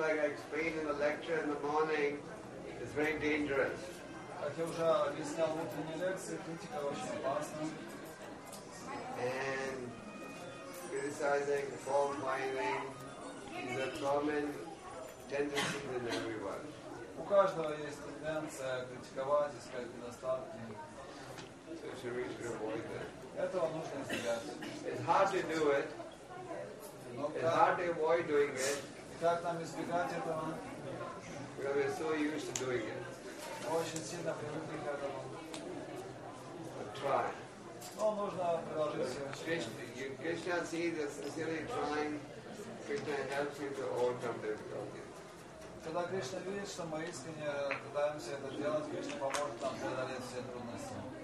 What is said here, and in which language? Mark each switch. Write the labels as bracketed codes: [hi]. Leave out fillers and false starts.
[en] like I explained in the lecture in the morning, is very dangerous. And criticizing, fault finding is a common tendency in everyone. [ru] У каждого есть тенденция критиковать, искать недостатки. [en] So should we should avoid that. [ru] Этого нужно избегать. [en] It's hard to do it. It's hard to avoid doing it. [ru] И как нам избегать этого? [en] Because we're so used to doing it. [ru] Очень сильно привыкли к этому. [en] But try. [ru] Но нужно продолжить все. [en] Krishna sees that sincerely trying, Krishna helps you to overcome difficulties. [ru] Когда Кришна видит, что мы искренне пытаемся это делать, Кришна поможет нам преодолеть все трудности.